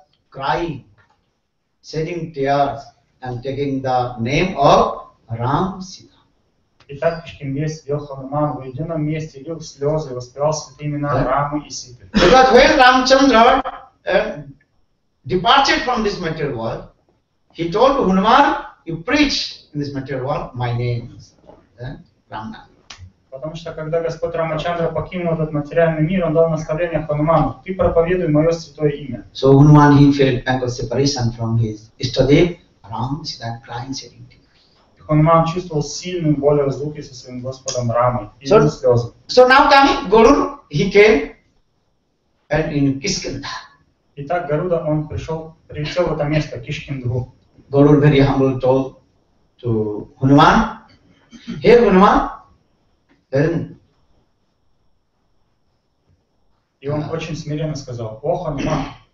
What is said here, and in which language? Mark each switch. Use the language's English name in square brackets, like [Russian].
[English] crying, shedding tears and taking the name of Ram Sita. [Russian] И так Кришнамурти Йоханнаман в едином месте лил слезы и воспевал святые имена Рамы и Ситы. [English] Because when Ramchandra departed from this material world, he told Hanuman, you preach in this material world, my name is Рамна. [Russian] Потому что когда Господь Рамачандра покинул этот материальный мир, он дал наставление Хануману: ты проповедуй мое святое имя. [English] So Hanuman he felt anger separation from his Ishtadev, Ram Sita, crying, shedding tears. [Russian] Хануман чувствовал сильную боль разлуки со своим Господом Рамой и его слезы. [English] So now come Guru, he came and in Kishkindha. [Russian] Итак, Гаруда он пришел в это место Кишкиндху. [English] Guru very humble told to Hanuman, hey Hanuman. [Russian] И он очень смиренно сказал: «О, Хануман!»